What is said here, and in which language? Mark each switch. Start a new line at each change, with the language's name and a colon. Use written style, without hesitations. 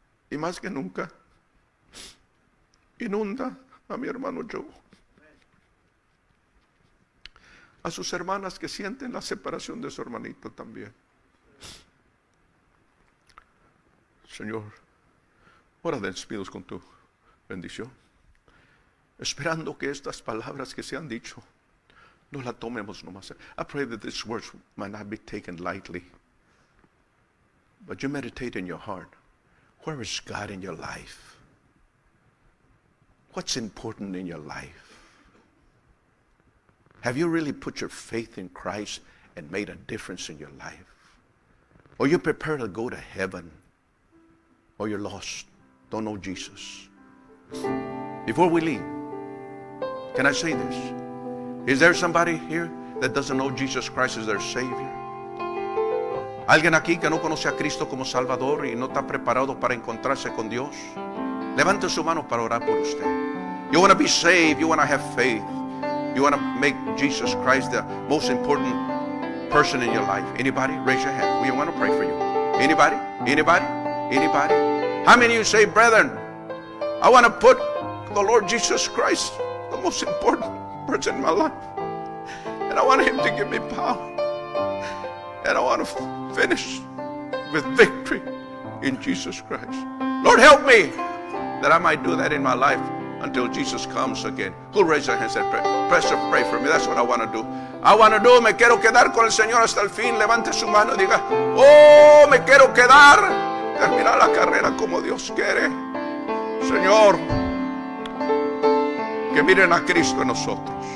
Spanish: Y más que nunca, inunda a mi hermano Joe, a sus hermanas que sienten la separación de su hermanito también. Señor, ora despidos con tu bendición. Esperando que estas palabras que se han dicho no las tomemos nomás.
English: I pray that these words might not be taken lightly. But you meditate in your heart. Where is God in your life? What's important in your life? Have you really put your faith in Christ and made a difference in your life? Or you prepared to go to heaven? Or you're lost? Don't know Jesus? Before we leave, can I say this? Is there somebody here that doesn't know Jesus Christ as their Savior?
Spanish: ¿Alguien aquí que no conoce a Cristo como Salvador y no está preparado para encontrarse con Dios? Levante su mano para orar por usted.
English: You want to be saved, you want to have faith. You want to make Jesus Christ the most important person in your life. Anybody? Raise your hand. We want to pray for you. Anybody? Anybody? Anybody? How many of you say, brethren, I want to put the Lord Jesus Christ the most important person in my life, and I want him to give me power, and I want to finish with victory in Jesus Christ. Lord, help me that I might do that in my life until Jesus comes again. Who'll raise their hands and pray? Pastor, pray for me. That's what I want to do. I want to do.
Spanish: Me quiero quedar con el Señor hasta el fin. Levante su mano y diga, oh, me quiero quedar. Terminar la carrera como Dios quiere. Señor, que miren a Cristo en nosotros.